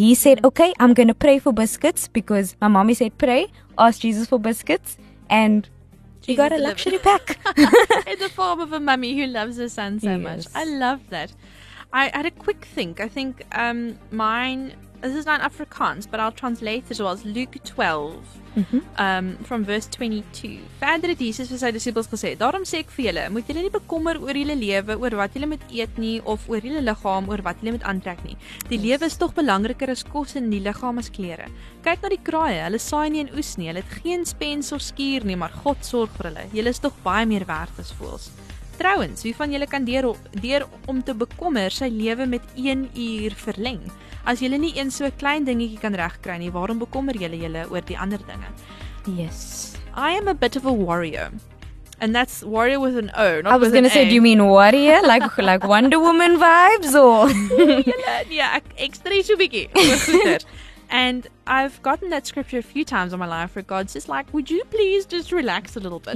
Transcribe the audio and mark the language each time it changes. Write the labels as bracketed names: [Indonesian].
[English] He said, okay, I'm going to pray for biscuits, because my mommy said pray, ask Jesus for biscuits, and Jesus, you got a luxury pack. In the form of a mummy who loves her son so much. I love that. I had a quick think. I think mine... This is not in Afrikaans, but I'll translate it as well. It's Luke 12, from verse 22. [Afrikaans] Verder het Jesus vir sy disciples gesê, daarom sê ek vir julle, moet julle nie bekommer oor julle lewe, oor wat julle moet eet nie, of oor julle liggaam, oor wat julle moet aantrek nie. Die lewe is tog belangriker as kos en die liggaam as klere. Kyk na die kraaie, hulle saai nie en oes nie, hulle het geen spens of skuur nie, maar God sorg vir hulle. Julle is tog baie meer werd as voëls. Trouwens, wie van julle kan deur om te bekommer sy lewe met 1 uur verleng? As julle nie eens so 'n klein dingetjie kan regkry nie, waarom bekommer julle julle oor die ander dinge? [English] Yes. I am a bit of a warrior. And that's warrior with an O, not with an A. I was going to say, do you mean warrior? Like Wonder Woman vibes? Or? [Afrikaans] Yeah, ekstra so bietjie. Goed. [English] And I've gotten that scripture a few times in my life where God's just like, would you please just relax a little bit?